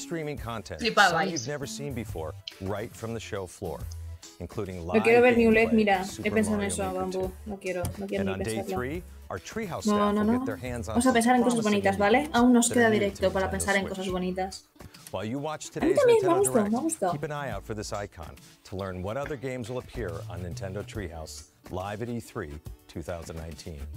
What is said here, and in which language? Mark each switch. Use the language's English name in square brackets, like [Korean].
[English] Some you've never seen before, right from the show floor. [Spanish] No quiero ver ni un LED, mira, he pensado en eso, Bambú. No quiero ni pensarlo. No, no, no. Vamos a pensar en cosas bonitas, ¿vale? Aún nos queda directo para pensar en cosas bonitas. A mí también me gusta. [English] Keep an eye out for this icon to learn what other games will appear on Nintendo Treehouse live at E3 2019.